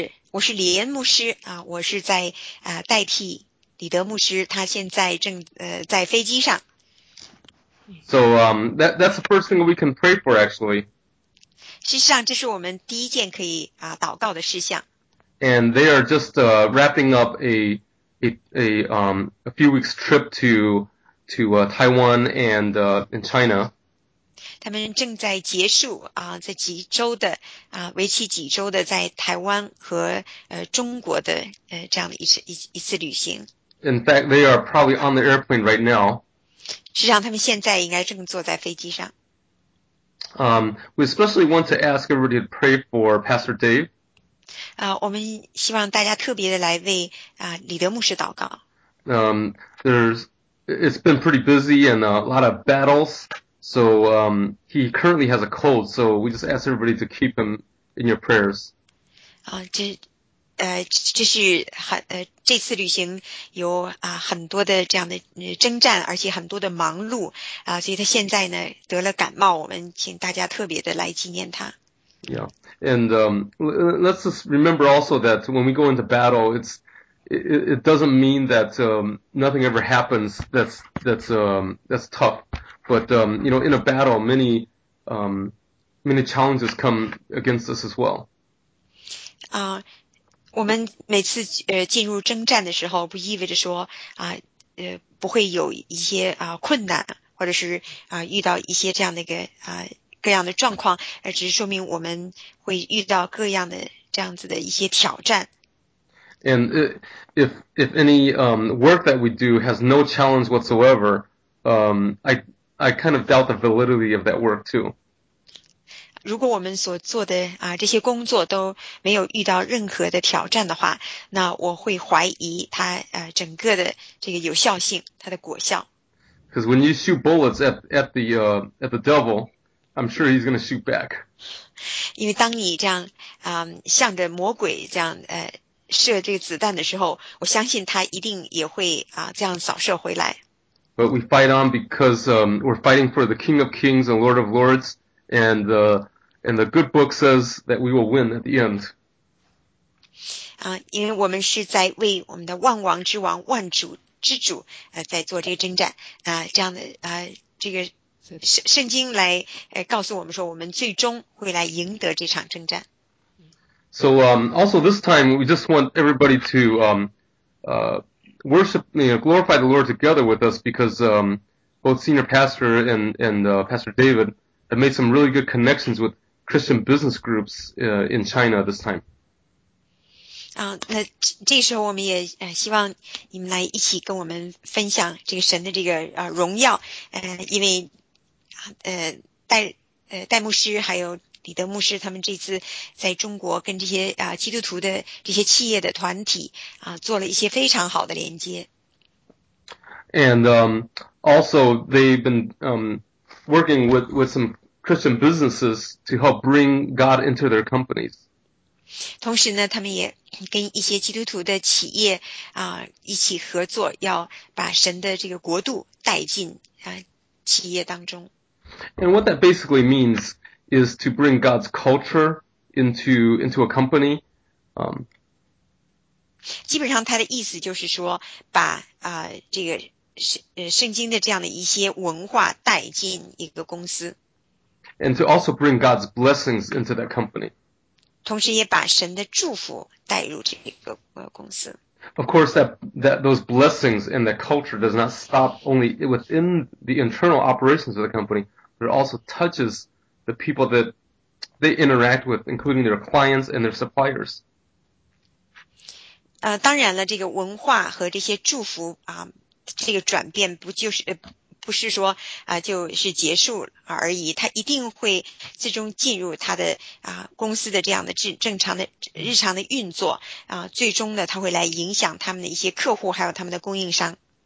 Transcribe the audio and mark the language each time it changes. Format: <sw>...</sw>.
<zh>我是李恩牧师啊，我是在代替李德牧师，他现在正在飞机上。</zh> <en>So that's the first thing we can pray for, actually.</en> <zh>事实上，这是我们第一件可以祷告的事项。</zh> <en>And they are just wrapping up a few weeks trip to Taiwan and in China.</en> <zh>他们正在结束在几周的为期几周的在台湾和中国的这样的一次旅行。</zh> <en>In fact, they are probably on the airplane right now.</en> <zh>实际上他们现在应该正坐在飞机上。</zh> <en>We especially want to ask everybody to pray for Pastor Dave.</en> <zh>我们希望大家特别的来为李德牧师祷告。</zh> <en>It's been pretty busy and a lot of battles. So he currently has a cold. So we just ask everybody to keep him in your prayers.</en> <zh>这次旅行有很多的这样的征战，而且很多的忙碌所以他现在呢得了感冒，我们请大家特别的来纪念他。</zh> <en>Yeah, and let's just remember also that when we go into battle, it doesn't mean that nothing ever happens that's tough. But you know, in a battle, many challenges come against us as well.</en> <zh>我们每次进入征战的时候，不意味着说不会有一些困难，或者是遇到一些这样的一个各样的状况，而只是说明我们会遇到各样的这样子的一些挑战。</zh> <en>And if any work that we do has no challenge whatsoever, I kind of doubt the validity of that work too.</en> <zh>如果我们所做的这些工作都没有遇到任何的挑战的话，那我会怀疑它整个的这个有效性，它的果效。</zh> <en>Because when you shoot bullets at the devil, I'm sure he's going to shoot back.</en> <zh>因为当你这样向着魔鬼这样射这个子弹的时候，我相信他一定也会这样扫射回来。</zh> <en>But we fight on because we're fighting for the King of Kings and Lord of Lords. And the good book says that we will win at the end.</en> <zh>因为我们是在为我们的万王之王、万主之主在做这个征战这样的这个圣经来告诉我们说，我们最终会来赢得这场征战。</zh> <en>So also this time we just want everybody to worship, you know, glorify the Lord together with us because both senior pastor and Pastor David. I made some really good connections with Christian business groups in China this time.</en> <zh>那这时候我们也希望你们来一起跟我们分享这个神的这个荣耀，因为戴牧师还有李德牧师他们这次在中国跟这些基督徒的这些企业的团体做了一些非常好的连接。</zh> <en>And also they've been working with some Christian businesses to help bring God into their companies.</en> <zh>同时呢，他们也跟一些基督徒的企业一起合作，要把神的这个国度带进企业当中。</zh> <en>And what that basically means is to bring God's culture into a company.</en> <zh>基本上他的意思就是说，把这个圣经的这样的一些文化带进一个公司。</zh> <en>And to also bring God's blessings into that company.</en> <zh>同时也把神的祝福带入这个公司。</zh> <en>Of course, that those blessings and the culture does not stop only within the internal operations of the company, but it also touches the people that they interact with, including their clients and their suppliers.</en> <zh>当然了，这个文化和这些祝福这个转变不就是不是说就是结束而已，他一定会最终进入他的公司的这样的正常的日常的运作最终呢，他会来影响他们的一些客户还有他们的供应商。</zh>